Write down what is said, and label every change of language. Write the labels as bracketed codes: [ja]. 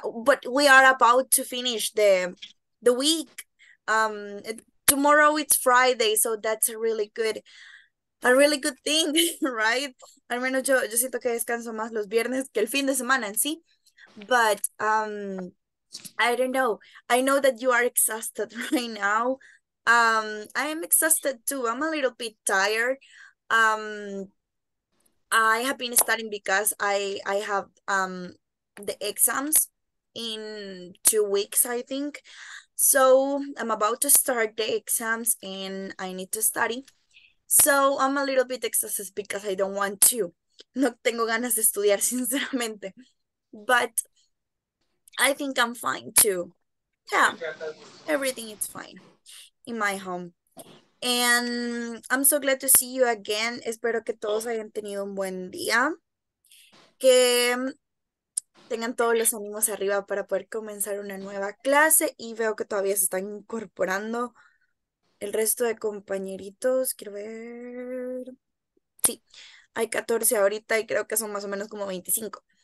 [en] But we are about to finish the week. Tomorrow it's Friday, so that's a really good thing, right? [es] Al menos yo siento que descanso más los viernes que el fin de semana en sí. [en] But I don't know. I know that you are exhausted right now. I am exhausted too. I'm a little bit tired. I have been studying because I have the exams in 2 weeks, I think. So I'm about to start the exams and I need to study. So I'm a little bit exhausted because I don't want to. [es] No tengo ganas de estudiar, sinceramente. [en] But I think I'm fine too. Yeah, everything is fine in my home. And I'm so glad to see you again. [es] Espero que todos hayan tenido un buen día. Que tengan todos los ánimos arriba para poder comenzar una nueva clase y veo que todavía se están incorporando el resto de compañeritos. Quiero ver. Sí, hay 14 ahorita y creo que son más o menos como 25.